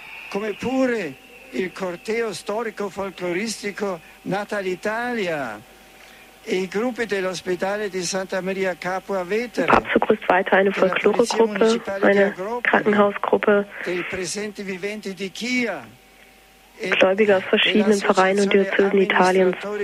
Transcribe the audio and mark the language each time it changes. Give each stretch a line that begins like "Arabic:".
Italian: Come pure il corteo storico folcloristico Natalitalia e i gruppi dell'ospedale di Santa Maria Capua Vetere.
German: Der Papst grüßt weiter eine Folkloregruppe, eine Krankenhausgruppe,
Italian: presenti viventi di Chia,
German: Gläubige aus verschiedenen Vereinen und Diözesen Italiens.